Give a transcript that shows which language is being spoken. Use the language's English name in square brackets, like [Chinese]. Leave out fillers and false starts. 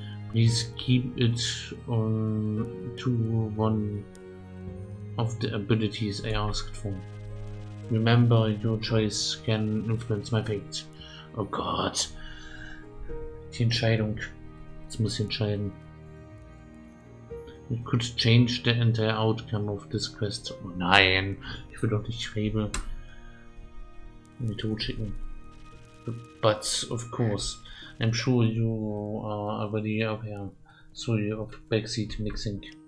[English] Please keep it to one of the abilities I asked for. Remember, your choice can influence my fate. Oh god. [German] Die Entscheidung. Jetzt muss ich entscheiden. [English] It could change the entire outcome of this quest. [German] Oh nein. Ich will doch nicht Fable in den Tod schicken. [English] But of course. I'm sure you are already aware, sorry, of backseat mixing.